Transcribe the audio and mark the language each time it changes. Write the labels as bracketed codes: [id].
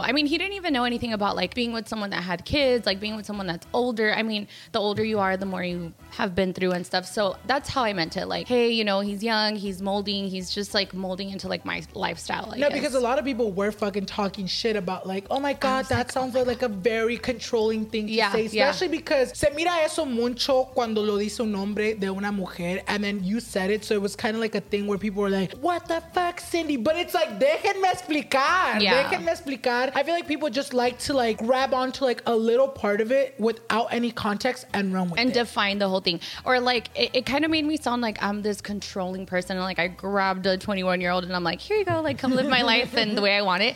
[en] I mean, he didn't even know anything about like being with someone that had kids, like being with someone that's older. I mean, the older you are, the more you have been through and stuff. So that's how I meant it. Like, hey, you know, he's young, he's molding, he's just like molding into like my lifestyle. No, because a lot of people were fucking talking shit about like, oh my God, that like, sounds like a very controlling thing to say. Especially because [es] se mira eso mucho cuando lo dice un hombre de una mujer. [en] And then you said it. So it was kind of like a thing where people were like, what the fuck, Cindy? But it's like, [es] déjenme explicar. [en] I feel like people just like to like grab onto like a little part of it without any context and run with it. And define the whole thing. Or like it kind of made me sound like I'm this controlling person. And like I grabbed a 21-year-old and I'm like, here you go, like come live my life and the way I want it.